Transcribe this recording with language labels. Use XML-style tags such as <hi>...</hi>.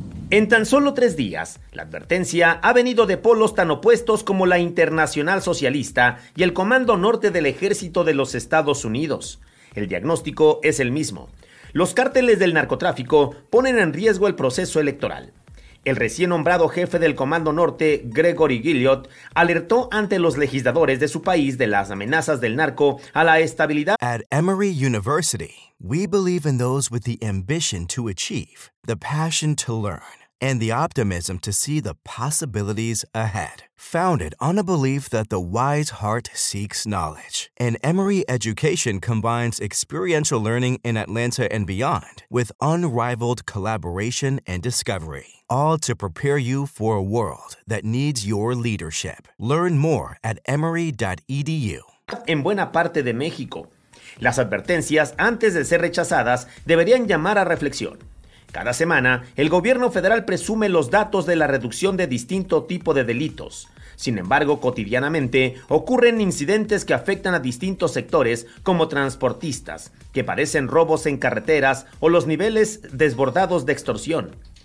<es>En tan solo 3 días, la advertencia ha venido de polos tan opuestos como la Internacional Socialista y el Comando Norte del Ejército de los Estados Unidos. El diagnóstico es el mismo. Los cárteles del narcotráfico ponen en riesgo el proceso electoral. El recién nombrado jefe del Comando Norte, Gregory Gilliot, alertó ante los legisladores de su país de las amenazas del narco a la estabilidad.</es> <en>At Emory University, we believe in those with the ambition to achieve, the passion to learn, and the optimism to see the possibilities ahead. Founded on a belief that the wise heart seeks knowledge, an Emory education combines experiential learning in Atlanta and beyond with unrivaled collaboration and discovery, all to prepare you for a world that needs your leadership. Learn more at emory.edu.</en> <es>En buena parte de México, las advertencias, antes de ser rechazadas, deberían llamar a reflexión. Cada semana, el gobierno federal presume los datos de la reducción de distinto tipo de delitos. Sin embargo, cotidianamente ocurren incidentes que afectan a distintos sectores, como transportistas, que padecen robos en carreteras o los niveles desbordados de extorsión.</es>